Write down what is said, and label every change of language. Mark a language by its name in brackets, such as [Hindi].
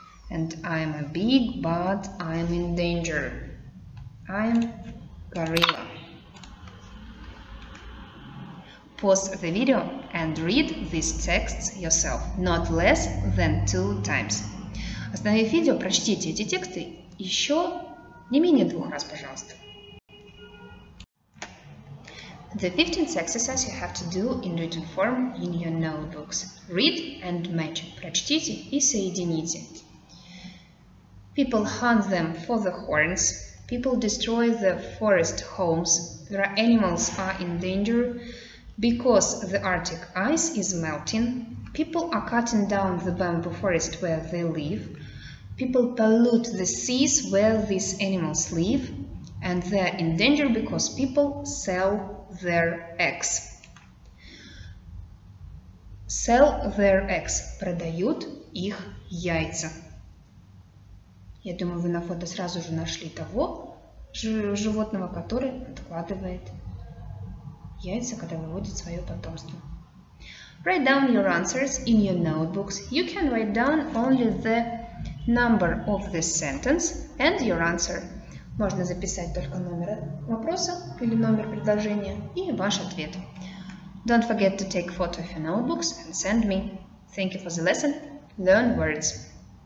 [English] And I'm a big, but I'm in danger. I'm gorilla. Pause the video and read these texts yourself, not less than 2 times. [Russian] Остановив видео, прочтите эти тексты еще не менее 2 раз, пожалуйста. [English] The 15th exercise you have to do in written form in your notebooks. Read and match. [Russian] Прочтите и соедините. [English] People hunt them for the horns. People destroy the forest homes. Their animals are in danger because the Arctic ice is melting. People are cutting down the bamboo forest where they live. People pollute the seas where these animals live. And they're in danger because people sell their eggs. Sell their eggs. [Russian] Продают их яйца. Я думаю, вы на фото сразу же нашли того животного, который откладывает яйца, когда выводит свое потомство. [English] Write down your answers in your notebooks. You can write down only the number of the sentence and your answer. [Russian] Можно записать только номер вопроса или номер предложения и ваш ответ. [English] Don't forget to take photo of your notebooks and send me. Thank you for the lesson. Learn words.